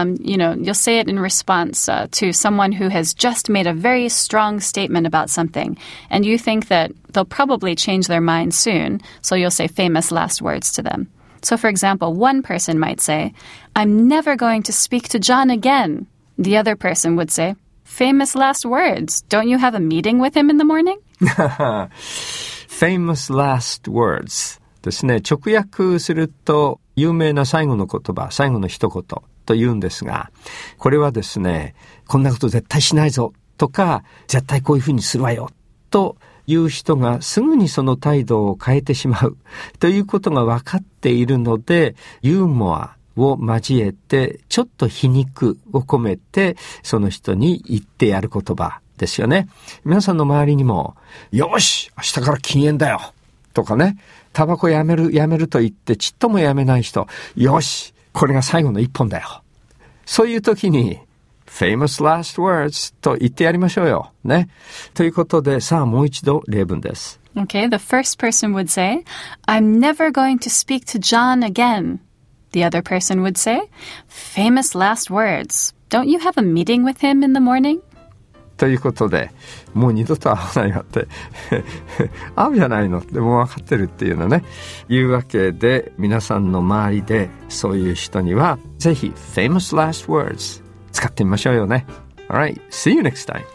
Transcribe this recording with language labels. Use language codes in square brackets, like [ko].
[en] You know, you'll say it in response to someone who has just made a very strong statement about something, and you think that they'll probably change their mind soon, so you'll say famous last words to them. So, for example, one person might say, I'm never going to speak to John again. The other person would say, famous last words. Don't you have a meeting with him in the morning? Famous last words. [ja] ですね、直訳すると有名な最後の言葉、最後の一言と言うんですが、これはですね、こんなこと絶対しないぞとか、絶対こういうふうにするわよという人がすぐにその態度を変えてしまうということが分かっているので、ユーモアを交えてちょっと皮肉を込めてその人に言ってやる言葉ですよね。皆さんの周りにも、よし明日から禁煙だよとかね、タバコやめると言ってちっともやめない人、よしこれが最後の一本だよ、そういう時に famous last words と言ってやりましょうよね。ということで、さあもう一度例文です。 [en] Okay, the first person would say, I'm never going to speak to John again. The other person would say, famous last words. Don't you have a meeting with him in the morning? [ja] ということで、もう二度と会わないよって会うじゃないのってもう分かってるっていうのね。いうわけで、皆さんの周りでそういう人にはぜひ famous last words 使ってみましょうよね。 [en] Alright, see you next time.